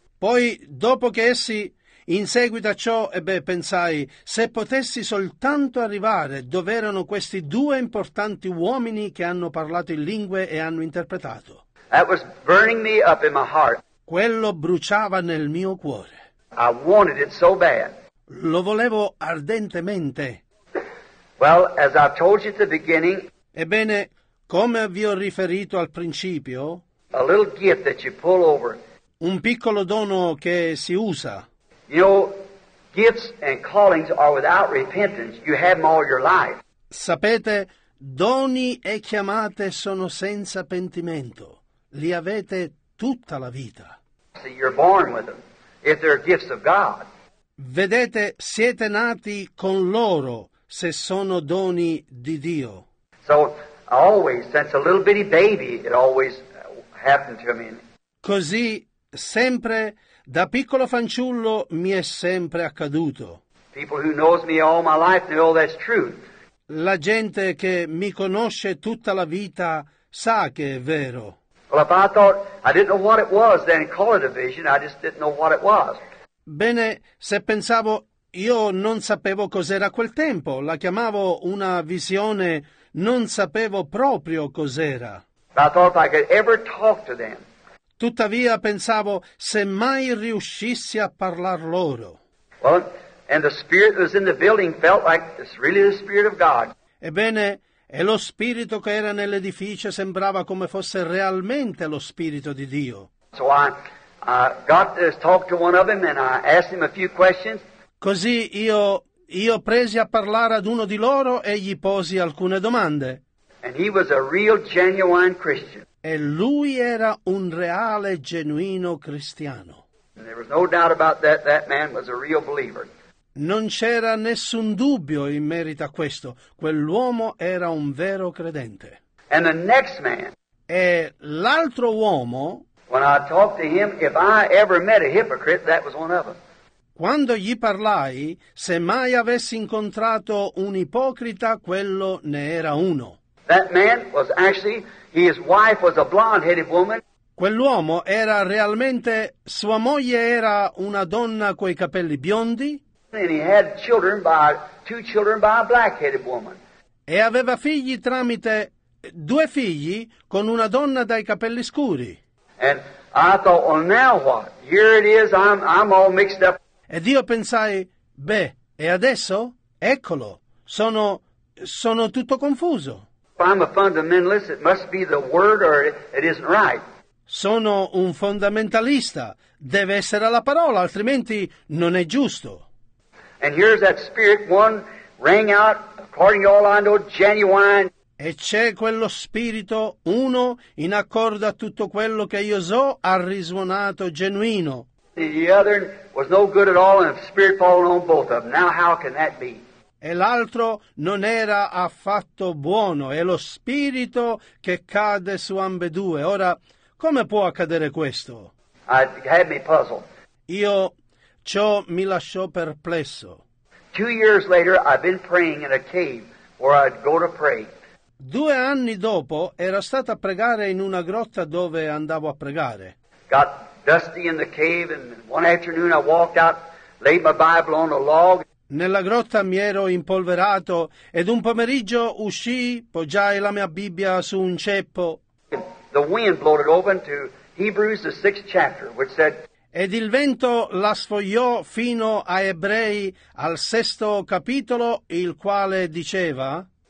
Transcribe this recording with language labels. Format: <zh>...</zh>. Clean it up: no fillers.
<it>Poi dopo che essi, in seguito a ciò, pensai, se potessi soltanto arrivare dove erano questi due importanti uomini che hanno parlato in lingue e hanno interpretato.</it> <en>That was burning me up in my heart.</en> <it>Quello bruciava nel mio cuore.</it> <en>I wanted it so bad.</en> <it>Lo volevo ardentemente.</it> <en>Well, as I told you at the beginning,</en> <it>ebbene, come vi ho riferito al principio,</it> <en>a little gift that you pull over,</en> <it>un piccolo dono che si usa.</it> <en>You know, gifts and callings are without repentance. You have them all your life.</en> <it>Sapete, doni e chiamate sono senza pentimento. Li avete tutta la vita.</it> <en>See, you're born with them, if they're gifts of God.</en> <it>Vedete, siete nati con loro se sono doni di Dio.</it> <en>So, always, since a little bitty baby, it always happened to me.</en> <it>Così, sempre, da piccolo fanciullo, mi è sempre accaduto.</it> <en>People who knows me all my life know that's true.</en> <it>La gente che mi conosce tutta la vita sa che è vero.</it> <en>Well, if I thought, I didn't know what it was, then call it a vision, I just didn't know what it was.</en> <it>Bene, se pensavo, io non sapevo cos'era quel tempo, la chiamavo una visione, non sapevo proprio cos'era.</it> <en>But I thought if I could ever talk to them.</en> <it>Tuttavia pensavo, se mai riuscissi a parlar loro.</it> <en>Well, and the spirit that was in the building felt like it's really the spirit of God.</en> <it>Ebbene, e lo spirito che era nell'edificio sembrava come fosse realmente lo spirito di Dio.</it> <en>So I got to talk to one of them and I asked him a few questions.</en> <it>Così io presi a parlare ad uno di loro e gli posi alcune domande.</it> <en>And he was a real genuine Christian.</en> <it>E lui era un reale, genuino cristiano.</it> <en>There was no doubt about that. That man was a real believer.</en> <it>Non c'era nessun dubbio in merito a questo. Quell'uomo era un vero credente.</it> <en>And the next man.</en> <it>E l'altro uomo.</it> <en>When I talked to him, if I ever met a hypocrite, that was one of them.</en> <it>Quando gli parlai, se mai avessi incontrato un ipocrita, quello ne era uno.</it> <en>That man was actually, his wife was a blonde-headed woman.</en> <it>Quell'uomo era realmente, sua moglie era una donna coi capelli biondi.</it> <en>And he had children by, two children by a black-headed woman.</en> <it>E aveva figli tramite, due figli con una donna dai capelli scuri.</it> <en>And I thought, well now what? Here it is, I'm all mixed up.</en> <it>Ed io pensai, beh, e adesso? Eccolo, sono tutto confuso.</it> <en>I'm a fundamentalist, it must be the word or it isn't right.</en> <it>Sono un fondamentalista, deve essere la parola, altrimenti non è giusto.</it> <en>And here's that spirit, one rang out, according to all I know, genuine.</en> <it>E c'è quello spirito, uno, in accordo a tutto quello che io so, ha risuonato genuino.</it> <en>The other was no good at all, and the spirit falling on both of them. Now how can that be?</en> <it>E l'altro non era affatto buono, è lo spirito che cade su ambedue. Ora, come può accadere questo?</it> <en>I had me puzzled.</en> <it>Io, ciò mi lasciò perplesso.</it> <en>2 years later, I've been praying in a cave where I'd go to pray.</en> <it>2 anni dopo, ero stato a pregare in una grotta dove andavo a pregare.</it> <en>Got dusty in the cave and one afternoon I walked out, laid my Bible on a log.</en> <it>Nella grotta mi ero impolverato ed un pomeriggio uscii, poggiai la mia Bibbia su un ceppo.</it> <en>The wind blew it open to Hebrews, the 6th chapter, which said.</en> <it>Ed il vento la sfogliò fino a Ebrei, al 6° capitolo, il quale diceva.</it>